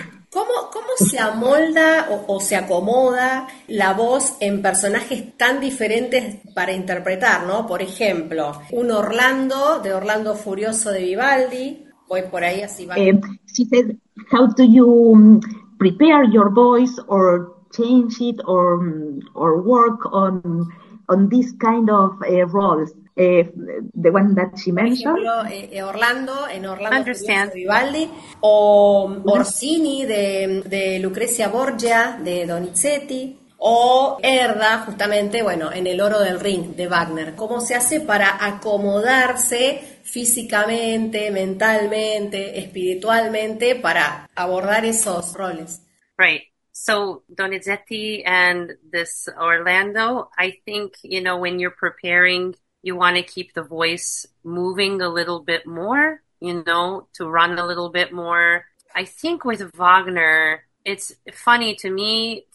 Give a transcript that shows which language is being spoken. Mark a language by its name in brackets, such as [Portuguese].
[Spanish] ¿Cómo se amolda o se acomoda la voz en personajes tan diferentes para interpretar, ¿no? Por ejemplo, un Orlando de Orlando Furioso de Vivaldi. Voy por ahí así. Va. [English] She said, how do you prepare your voice or change it or work on this kind of roles? The one that she mentioned. [Spanish] Por ejemplo, Orlando en Orlando de Vivaldi o Orsini de Lucrezia Borgia de Donizetti o Erda justamente, bueno, en El Oro del Ring de Wagner. ¿Cómo se hace para acomodarse físicamente, mentalmente, espiritualmente para abordar esos roles? [English] Right. So Donizetti and this Orlando, I think, you know, when you're preparing, you want to keep the voice moving a little bit more, you know, to run a little bit more. I think with Wagner, it's funny to me.